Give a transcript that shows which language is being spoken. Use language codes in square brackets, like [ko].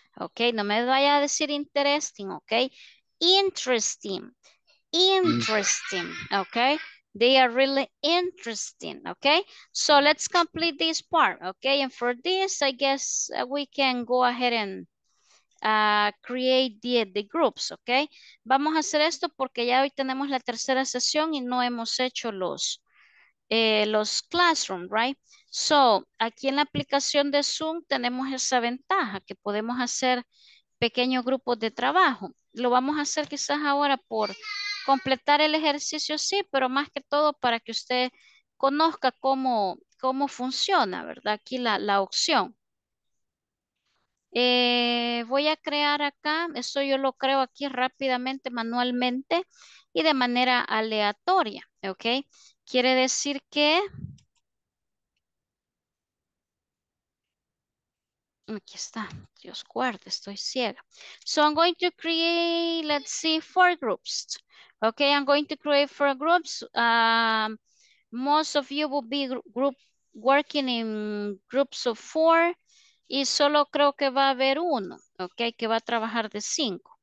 [es] Okay, no me vaya a decir interesting, okay? Interesting. [en] Interesting, okay? They are really interesting, okay? So let's complete this part, okay? And for this, I guess we can go ahead and create the groups, ok. [es] Vamos a hacer esto porque ya hoy tenemos la tercera sesión y no hemos hecho los classroom, right? So, aquí en la aplicación de Zoom tenemos esa ventaja que podemos hacer pequeños grupos de trabajo. Lo vamos a hacer quizás ahora por completar el ejercicio, sí, pero más que todo para que usted conozca cómo funciona, ¿verdad? Aquí la opción. Voy a crear acá, eso yo lo creo aquí rápidamente, manualmente y de manera aleatoria, ¿ok? Quiere decir que... Aquí está, Dios guarde, estoy ciega. [en] So I'm going to create, let's see, 4 groups. Okay, I'm going to create 4 groups. Most of you will be working in groups of 4. [es] Y solo creo que va a haber uno, okay, que va a trabajar de 5.